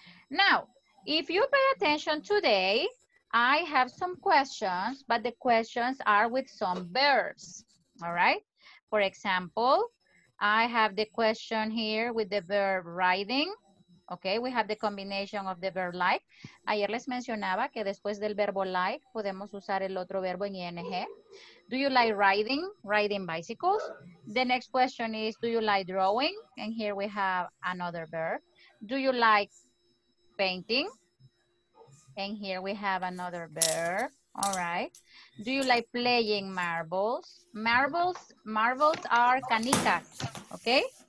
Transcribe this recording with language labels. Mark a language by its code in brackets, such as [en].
[en] Now, if you pay attention today, I have some questions, but the questions are with some verbs, all right? For example, I have the question here with the verb riding, okay? We have the combination of the verb like. [es] Ayer les mencionaba que después del verbo like, podemos usar el otro verbo en ing. [en] Do you like riding bicycles? The next question is, do you like drawing? And here we have another verb. Do you like painting? And here we have another verb, all right. Do you like playing marbles? Marbles are canicas, okay?